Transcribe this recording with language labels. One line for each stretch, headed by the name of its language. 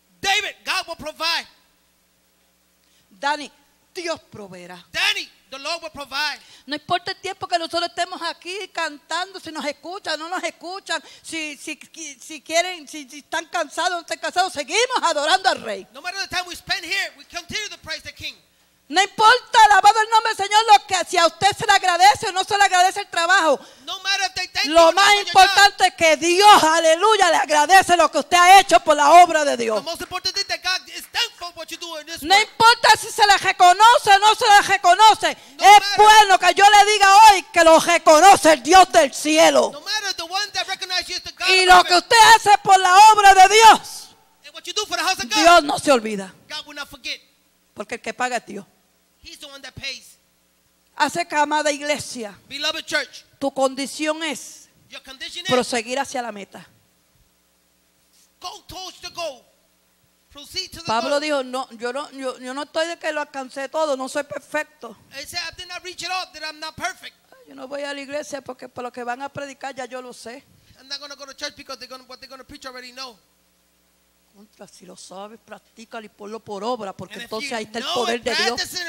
English: David, God will provide.
Spanish: Danny, Dios proveerá.
English: Danny, the Lord will provide.
Spanish: No importa el tiempo que nosotros estemos aquí cantando, si nos escuchan, no nos escuchan, si quieren, si están cansados, no están cansados, seguimos adorando al Rey.
English: No matter the time we spend here, we continue to praise the King.
Spanish: No importa, alabado el nombre del Señor, lo que si a usted se le agradece o no se le agradece el trabajo.
English: No matter if they thank
Spanish: lo más importante es que Dios, aleluya, le agradece lo que usted ha hecho por la obra de Dios. No importa si se le reconoce o no se le reconoce. No es
English: matter.
Spanish: Bueno que yo le diga hoy que lo reconoce el Dios del cielo.
English: No matter, the one that recognizes you is the God
Spanish: y lo que usted hace por la obra de Dios,
English: what you do for the house of God,
Spanish: Dios no se olvida.
English: God will not forget.
Spanish: Porque el que paga es Dios.
English: He's the one that pays.
Spanish: Hace que, amada iglesia,
English: beloved church,
Spanish: tu condición es proseguir hacia la meta.
English: Go towards the goal. Proceed to the
Spanish: Pablo
English: goal.
Spanish: Dijo, no, yo no estoy de que lo alcancé todo, no soy perfecto.
English: He said, I did not reach it all, that I'm not perfect.
Spanish: Yo no voy a la iglesia porque por lo que van a predicar ya yo lo sé.
English: I'm not going to go to church because what they're going to preach already know.
Spanish: Contra, si lo sabes, practícalo y ponlo por obra, porque entonces ahí está el poder de Dios.